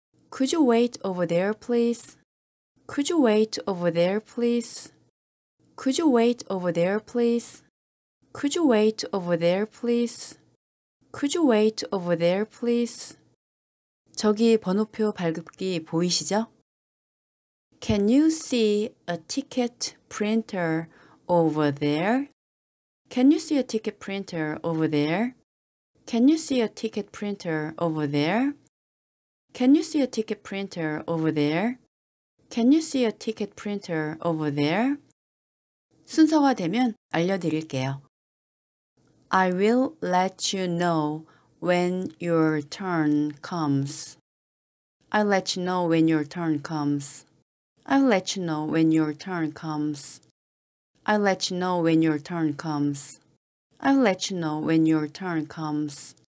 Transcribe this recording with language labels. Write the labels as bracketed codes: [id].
[en] Could you wait over there, please? Could you wait over there, please? Could you wait over there, please? Could you wait over there, please? Could you wait over there, please? [ko] 저기 번호표 발급기 보이시죠? [en] Can you see a ticket printer over there? Can you see a ticket printer over there? Can you see a ticket printer over there? Can you see a ticket printer over there? Can you see a ticket printer over there? [ko] 순서화되면 알려드릴게요. [en] I will let you know when your turn comes. I'll let you know when your turn comes. I'll let you know when your turn comes. I'll let you know when your turn comes. I'll let you know when your turn comes.